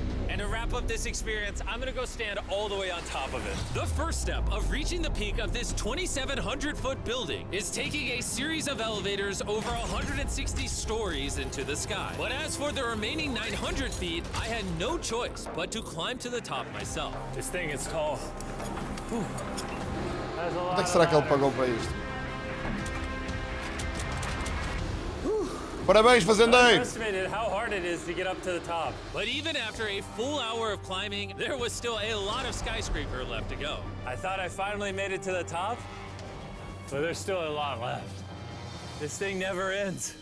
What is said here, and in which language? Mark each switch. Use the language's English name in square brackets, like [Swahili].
[English] And to wrap up this experience, I'm gonna go stand all the way on top of it. The first step of reaching the peak of this 2,700-foot building is taking a series of elevators over 160 stories into the sky. But as for the remaining 900 feet, I had no choice but to climb to the top myself. This thing is tall. [Portuguese] Onde é que será que ele pagou para isto? Parabéns, fazendeiro! [English] I estimated how hard it is to get up to the top. But even after a full hour of climbing, there was still a lot of skyscraper left to go. I thought I finally made it to the top, but there's still a lot left. This thing never ends.